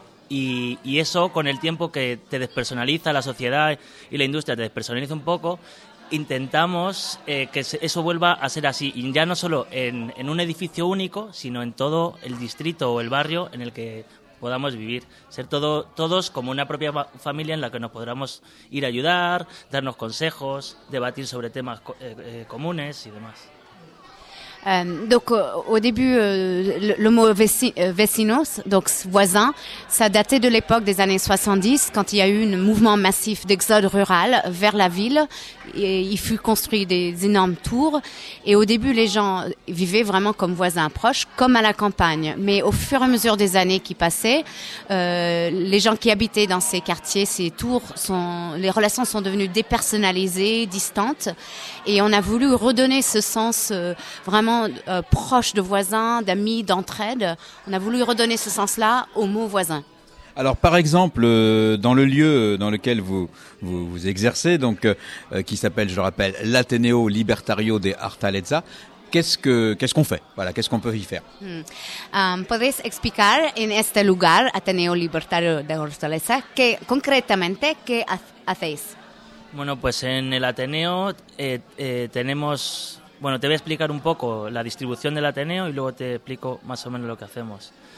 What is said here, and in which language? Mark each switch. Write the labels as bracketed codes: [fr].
[es] Y eso, con el tiempo que te despersonaliza la sociedad y la industria, te despersonaliza un poco, intentamos que eso vuelva a ser así, y ya no solo en un edificio único, sino en todo el distrito o el barrio en el que podamos vivir. Ser todos como una propia familia en la que nos podamos ir a ayudar, darnos consejos, debatir sobre temas comunes y demás. [fr] Donc au début, le mot vecinos, donc voisin, ça datait de l'époque des années 70, quand il y a eu un mouvement massif d'exode rural vers la ville. Et il fut construit des énormes tours. Et au début, les gens vivaient vraiment comme voisins proches, comme à la campagne. Mais au fur et à mesure des années qui passaient, les gens qui habitaient dans ces quartiers, ces tours, les relations sont devenues dépersonnalisées, distantes. Et on a voulu redonner ce sens vraiment proche de voisins, d'amis, d'entraide. On a voulu redonner ce sens-là au mot voisin. Alors, par exemple, dans le lieu dans lequel vous exercez, donc qui s'appelle, je le rappelle, l'Ateneo Libertario de Artaleza, qu'est-ce qu'on fait? Voilà, qu'est-ce qu'on peut y faire? [es] Podéis explicar en este lugar, Ateneo Libertario de Artaleza, que concretamente qué hacéis? Bueno, pues en el Ateneo tenemos. Bueno, te voy a explicar un poco la distribución del Ateneo y luego te explico más o menos lo que hacemos.